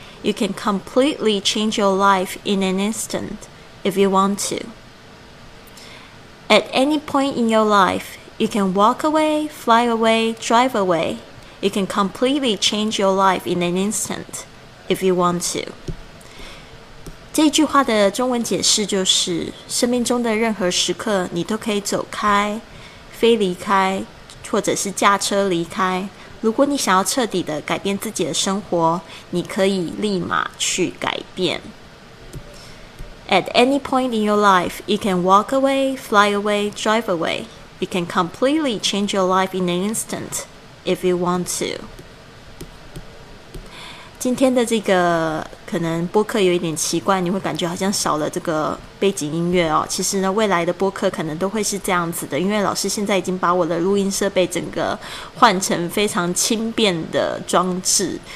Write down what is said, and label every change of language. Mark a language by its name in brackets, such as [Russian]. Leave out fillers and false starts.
[English] You can completely change your life in an instant if you want to. At any point in your life, you can walk away, fly away, drive away. You can completely change your life in an instant if you want to. [Chinese] 这句话的中文解释就是，生命中的任何时刻，你都可以走开、飞离开，或者是驾车离开。如果你想要彻底的改变自己的生活，你可以立马去改变。 [English] At any point in your life, you can walk away, fly away, drive away. You can completely change your life in an instant if you want to. [Chinese] 今天的这个可能播客有一点奇怪，你会感觉好像少了这个背景音乐哦。其实呢，未来的播客可能都会是这样子的，因为老师现在已经把我的录音设备整个换成非常轻便的装置。